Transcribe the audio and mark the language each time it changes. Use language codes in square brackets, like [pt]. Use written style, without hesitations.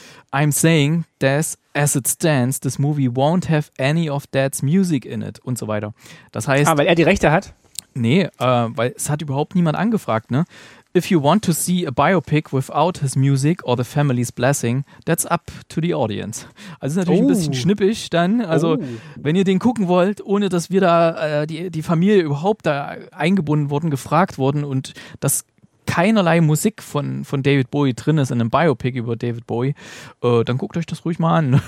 [en] I'm saying that as it stands, this movie won't have any of Dad's music in it [de] und so weiter. Das heißt, weil er die Rechte hat? Nee, weil es hat überhaupt niemand angefragt, ne? [en] If you want to see a biopic without his music or the family's blessing, that's up to the audience. [de] Also ist natürlich ein bisschen schnippig dann. Also wenn ihr den gucken wollt, ohne dass wir da die Familie überhaupt da eingebunden wurden, gefragt wurden und das keinerlei Musik von David Bowie drin ist in einem Biopic über David Bowie, dann guckt euch das ruhig mal an.